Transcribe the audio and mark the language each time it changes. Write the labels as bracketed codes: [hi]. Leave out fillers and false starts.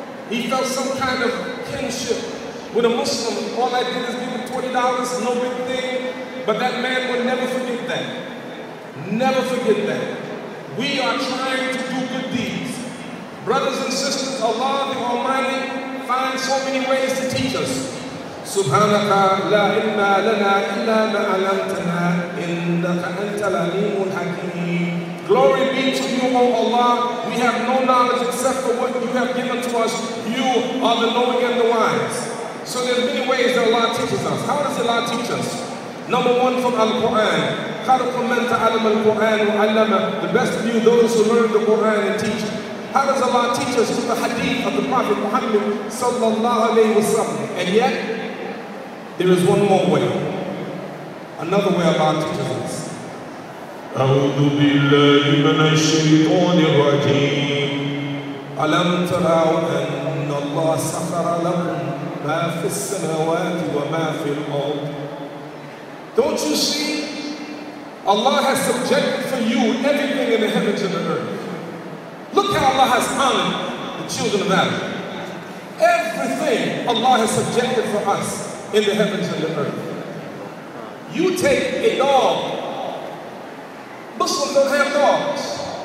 [en] He felt some kind of kinship with a Muslim. All I did is give him $20, no big thing, but that man would never forget that. Never forget that. We are trying to do good deeds. Brothers and sisters, Allah the Almighty finds so many ways to teach us. [ar] سبحانك لا علم لنا إلا ما علمتنا إنك أنت العليم الحكيم. [en] Glory be to you, O Allah. We have no knowledge except for what you have given to us. You are the knowing and the wise. So there are many ways that Allah teaches us. How does Allah teach us? Number one, from Al-Quran. [ar] خلق من تعلم القرآن وعلم. [en] The best of you, those who learn the Quran and teach it. How does Allah teach us? Through the hadith of the Prophet Muhammad sallallahu alayhi wa sallam. And yet, there is one more way. Another way of Allah teaches us. [ar] أعوذ بالله من الشيطان الرجيم. ألم ترى أن الله سخر لكم ما في السماوات وما في الأرض. [en] Don't you see? Allah has subjected for you everything in the heavens and the earth. Look how Allah has honored the children of Adam. Everything Allah has subjected for us in the heavens and the earth. You take a dog. Muslims don't have dogs.